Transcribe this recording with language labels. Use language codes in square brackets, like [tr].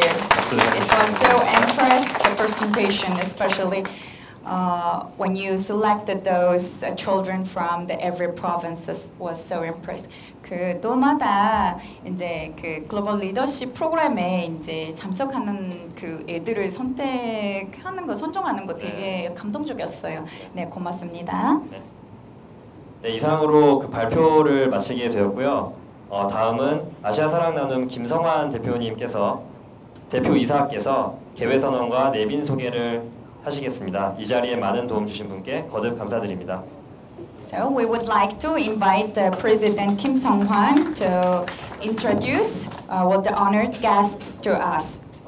[en] It was so impressive, the presentation, especially when you selected those children from the every province was so impressed. [ko] 그 또마다 이제 그 글로벌 리더십 프로그램에 이제 참석하는 그 애들을 선택하는 거 선정하는 거 되게 네. 감동적이었어요. 네, 고맙습니다. 네, 이상으로 그 발표를 마치게 되었고요. 다음은 아시아 사랑 나눔 김성환 대표님께서 대표 이사께서 개회 선언과 내빈 소개를 하시겠습니다. 이 자리에 많은 도움 주신 분께 거듭 감사드립니다. [en] So we would like to invite the President Kim Song-hwan to introduce what the honored guests to us.